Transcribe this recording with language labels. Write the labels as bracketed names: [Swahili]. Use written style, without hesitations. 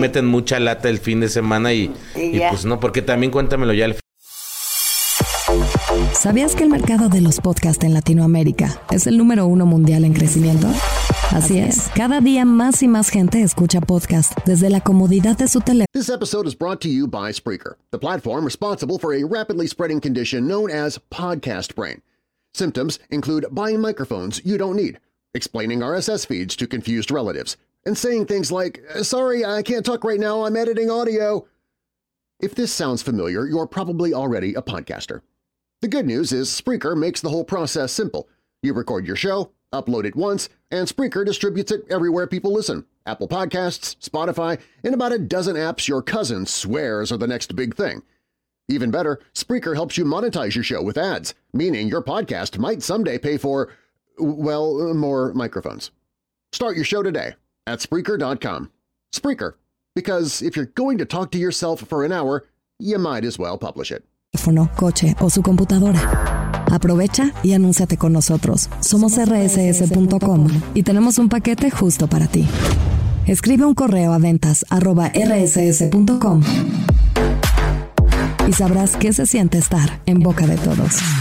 [Spanish] Meten mucha lata el fin de semana y pues no, porque también cuéntamelo ya. ¿Sabías que el mercado de los podcasts en Latinoamérica es el número uno mundial en crecimiento? Así es. Cada día más y más gente escucha podcast desde la comodidad de su teléfono. [English] This episode is brought to you by Spreaker, the platform responsible for a rapidly spreading condition known as podcast brain. Symptoms include buying microphones you don't need, explaining RSS feeds to confused relatives, and saying things like, sorry, I can't talk right now, I'm editing audio. If this sounds familiar, you're probably already a podcaster. The good news is Spreaker makes the whole process simple. You record your show, upload it once, and Spreaker distributes it everywhere people listen. Apple Podcasts, Spotify, and about a dozen apps your cousin swears are the next big thing. Even better, Spreaker helps you monetize your show with ads, meaning your podcast might someday pay for, well, more microphones. Start your show today at Spreaker.com. Spreaker, because if you're going to talk to yourself for an hour, you might as well publish it. [Spanish] Teléfono, coche o su computadora. Aprovecha y anúnciate con nosotros. Somos RSS.com y tenemos un paquete justo para ti. Escribe un correo a ventas@RSS.com. Y sabrás qué se siente estar en boca de todos.